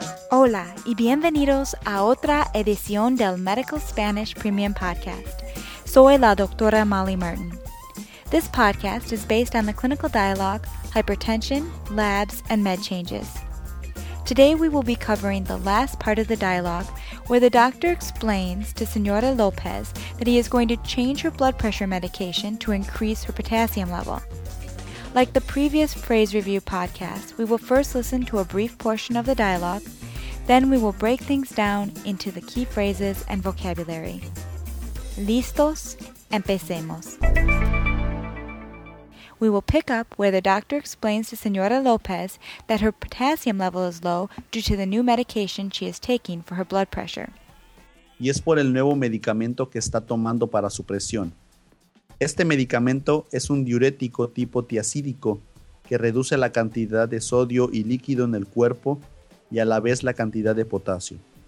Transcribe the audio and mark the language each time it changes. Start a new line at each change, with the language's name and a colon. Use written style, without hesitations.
Spanish: Hola y bienvenidos a otra edición del Medical Spanish Premium Podcast. Soy la doctora Molly Martin.
English: This podcast is based on the clinical dialogue, hypertension, labs, and med changes. Today we will be covering the last part of the dialogue where the doctor explains to Señora Lopez that he is going to change her blood pressure medication to increase her potassium level. Like the previous phrase review podcast, we will first listen to a brief portion of the dialogue, then we will break things down into the key phrases and vocabulary.
Spanish: Listos, empecemos.
English: We will pick up where the doctor explains to Señora Lopez that her potassium level is low due to the new medication she is taking for her blood pressure.
Spanish: Y es por el nuevo medicamento que está tomando para su presión. Este medicamento es un diurético tipo tiacídico que reduce la cantidad de sodio y líquido en el cuerpo y a la vez la cantidad de potasio.